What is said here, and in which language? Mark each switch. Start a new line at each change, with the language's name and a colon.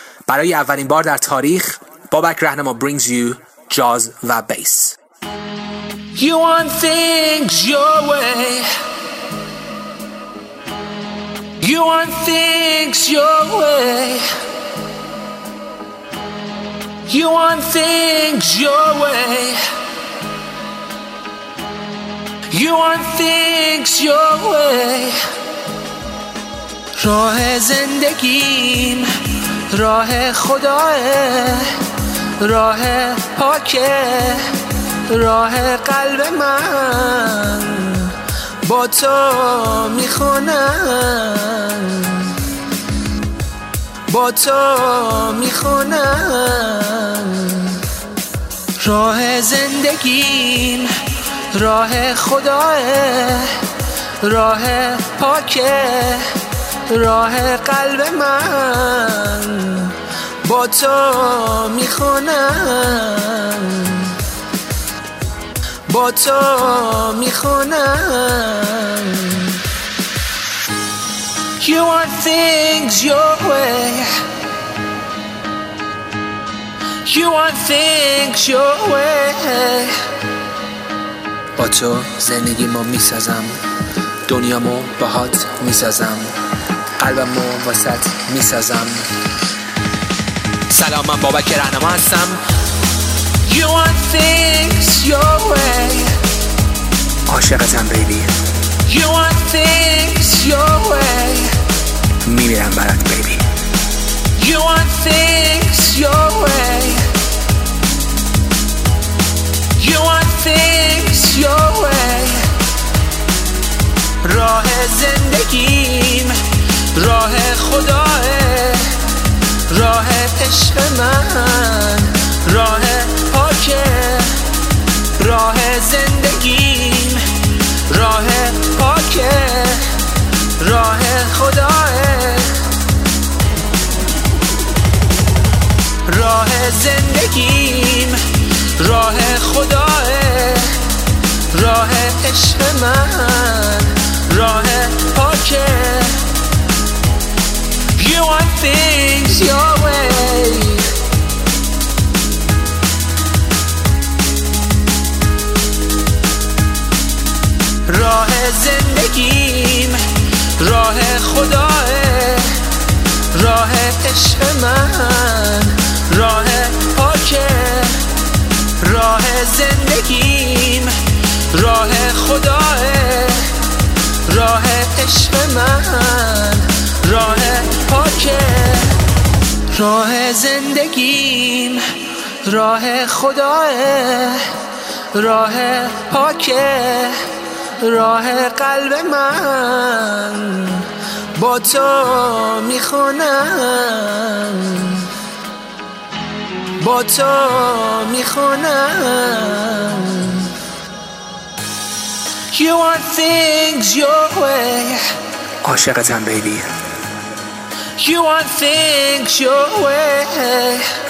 Persian: برای اولین بار در تاریخ بابک رهنما
English: brings you jazz
Persian: و بیس.
English: You want things your way. You want things your way. You want things your way. You want things your way.
Persian: راه زندگیم راه خداه، راه پاکه، راه قلب من با تو میخونم، با تو میخونم. راه زندگیم راه خداه، راه پاکه، راه قلب من با تو میخونم، با تو میخونم.
English: You want things your way. You want things your way.
Persian: با تو زندگی ما میسازم، دنیا ما باهات میسازم، قلبم رو واسط میسازم. سلام، من بابک رهنما هستم.
English: You want things your way.
Persian: عاشقتم بیبی.
English: You want things your way.
Persian: میمیرم برات بیبی.
English: You want things your way. You want things your way.
Persian: راه زندگیم راه خداه، راه عشق من، راه پاکه، راه زندگیم، راه پاکه، راه خداه، راه زندگیم، راه خداه، راه عشق من، راه پاکه.
English: You want things your way.
Persian: راه زندگیم راه خداه، راه عشق من، راه پاکه، راه زندگیم راه خداه، راه عشق من، راه پاکه. راه زندگیم راه خداه، راه پاکه، راه قلب من با تو میخونم، با تو میخونم.
English: You want things your way.
Persian: عاشقتم بیبی.
English: You want things your way.